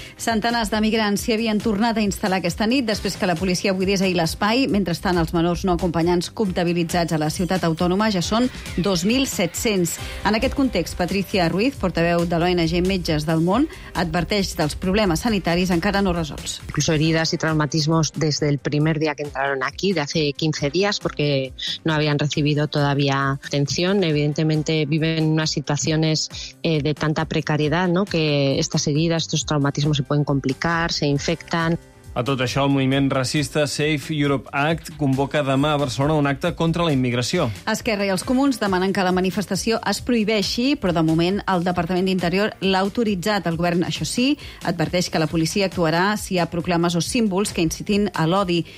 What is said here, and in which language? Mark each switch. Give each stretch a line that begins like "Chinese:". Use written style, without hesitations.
Catalan: Centenars de migrants s'hi havien tornat a instal·lar aquesta nit després que la policia buidés ahir l'espai. Mentrestant, els menors no acompanyants comptabilitzats a la ciutat autònoma ja són 2.700. En aquest context, Patricia Ruiz, portaveu de l'ONG Metges del Món, adverteix dels problemes sanitaris encara no resolts.
Spanish: Incluso heridas y traumatismos desde el primer día que entraron aquí, de hace 15 días, porque no habían recibido todavía atención. Evidentemente viven unas situaciones de tanta precariedad, ¿no?, que estas heridas, estos traumatismos se pueden complicar, se infectan.
Catalan: A tot això, el moviment racista Save Europe Act convoca demà a Barcelona un acte contra la immigració. Esquerra i els comuns demanen que la manifestació es prohibeixi, però de moment el Departament d'Interior l'ha autoritzat. El govern, això sí, adverteix que la policia actuarà si hi ha proclames o símbols que incitin a l'odi.